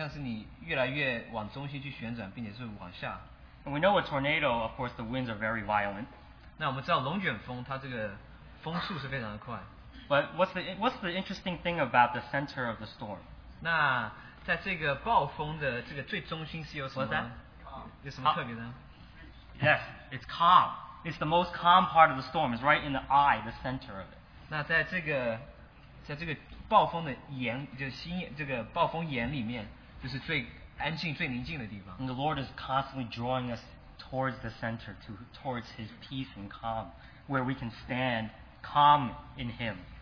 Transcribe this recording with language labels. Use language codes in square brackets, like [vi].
[zh] 当这个漩涡在旋转的时候，好像是你越来越往中心去旋转，并且是往下。 [en] And we know a tornado, of course, the winds are very violent. [zh] 那我们知道龙卷风，它这个风速是非常的快。 [en] But what's the interesting thing about the center of the storm? [zh] 那在这个暴风的这个最中心是有什么？有什么特别的？ [en] Yes, it's calm. It's the most calm part of the storm. It's right in the eye, the center of it. [zh] 那在这个暴风的眼，就是心眼，这个暴风眼里面，就是最安静、最宁静的地方。 [en] And the Lord is constantly drawing us towards the center, towards His peace and calm, where we can stand calm in Him.